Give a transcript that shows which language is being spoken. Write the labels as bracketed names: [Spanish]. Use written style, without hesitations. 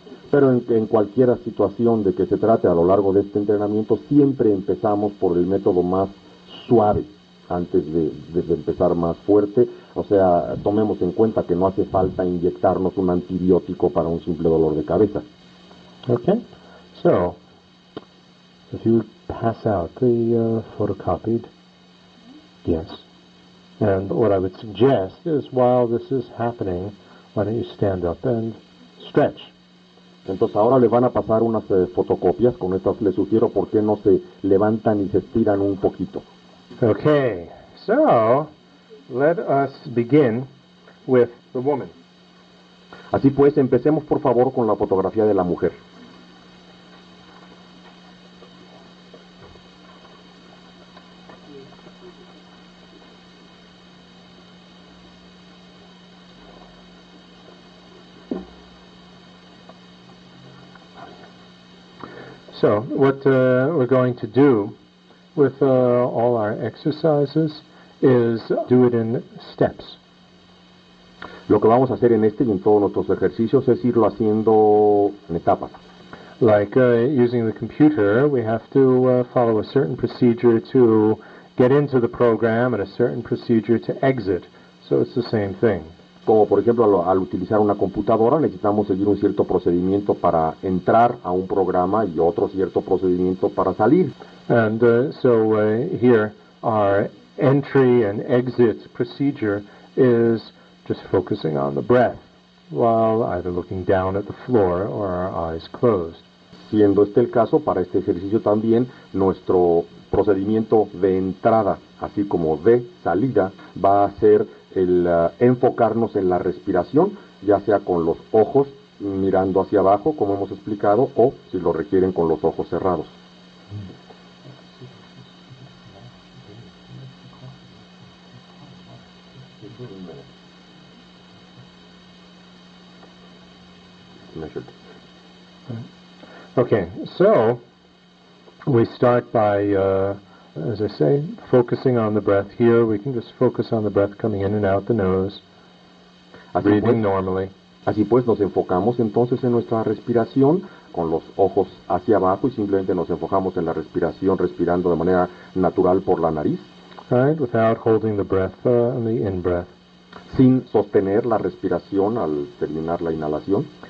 [Spanish] Pero en cualquier situación de que se trate a lo largo de este entrenamiento, siempre empezamos por el método más suave antes de empezar más fuerte. O sea, tomemos en cuenta que no hace falta inyectarnos un antibiótico para un simple dolor de cabeza. [English] Okay. So, if you pass out the photocopied, yes. And what I would suggest is while this is happening, why don't you stand up and stretch? [Spanish] Entonces ahora le van a pasar unas fotocopias, con estas les sugiero por qué no se levantan y se estiran un poquito. [English] Okay, so let us begin with the woman. [Spanish] Así pues, empecemos por favor con la fotografía de la mujer. [English] So what we're going to do with all our exercises is do it in steps. [Spanish] Lo que vamos a hacer en este y en todos nuestros ejercicios es irlo haciendo en etapas. [English] Like using the computer, we have to follow a certain procedure to get into the program and a certain procedure to exit. So it's the same thing. [Spanish] Como por ejemplo al utilizar una computadora necesitamos seguir un cierto procedimiento para entrar a un programa y otro cierto procedimiento para salir. [English] And so here our entry and exit procedure is just focusing on the breath while either looking down at the floor or our eyes closed. [Spanish] Siendo este el caso, para este ejercicio también nuestro procedimiento de entrada así como de salida va a ser el enfocarnos en la respiración, ya sea con los ojos mirando hacia abajo, como hemos explicado, o si lo requieren con los ojos cerrados. [English] Okay, so we start by as I say, focusing on the breath here, we can just focus on the breath coming in and out the nose, [Spanish] así [English] breathing [Spanish] pues, [English] normally. [Spanish] Así pues, nos enfocamos entonces en nuestra respiración con los ojos hacia abajo y simplemente nos enfocamos en la respiración respirando de manera natural por la nariz. [English] Right, without holding the breath on the in-breath. [Spanish] Sin sostener la respiración al terminar la inhalación.